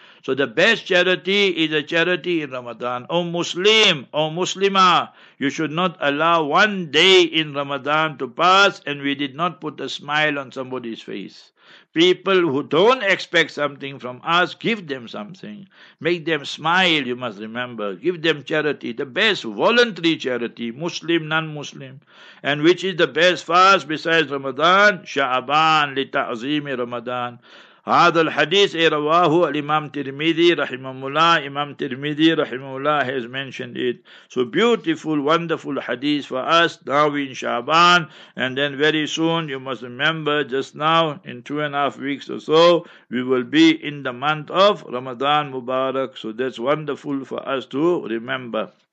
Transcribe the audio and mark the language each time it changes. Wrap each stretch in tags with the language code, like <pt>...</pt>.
<en>So the best charity is a charity in Ramadan. O Muslim, O Muslimah, you should not allow one day in Ramadan to pass and we did not put a smile on somebody's face. People who don't expect something from us, give them something. Make them smile, you must remember. Give them charity, the best voluntary charity, Muslim, non-Muslim. And which is the best fast besides Ramadan?</en> <ar>Sha'ban li ta'zimi Ramadan. هذا الحديث رواه الإمام ترمذي رحمه الله.</ar> <en>Imam Tirmidhi</en> <ar>رحمه الله</ar> <en>has mentioned it. So beautiful, wonderful hadith for us now in Sha'ban, and then very soon, you must remember, just now in 2.5 weeks or so, we will be in the month of Ramadan Mubarak. So that's wonderful for us to remember.</en>